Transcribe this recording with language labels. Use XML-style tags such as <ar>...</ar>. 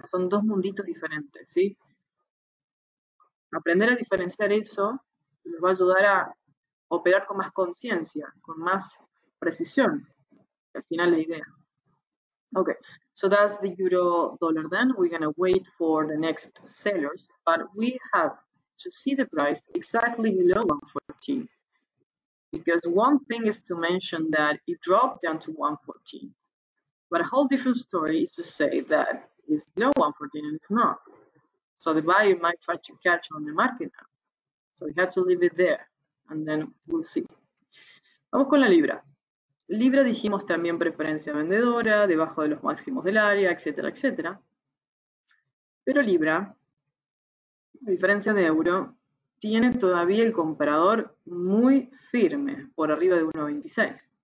<es>Son dos munditos diferentes, ¿sí? Aprender a diferenciar eso les va a ayudar a operar con más conciencia, con más precisión. Al final la idea.</es> <en>Okay, so that's the euro dollar then. We're gonna wait for the next sellers, but we have to see the price exactly below 114. Because one thing is to mention that it dropped down to 114. But a whole different story is to say that it's below 114 and it's not. So the buyer might try to catch on the market now. So we have to leave it there and then we'll see.</en> <es>Vamos con la libra. Libra dijimos también preferencia vendedora, debajo de los máximos del área, etcétera, etcétera. Pero Libra A diferencia de euro, tiene todavía el comprador muy firme por arriba de 1,26.</es>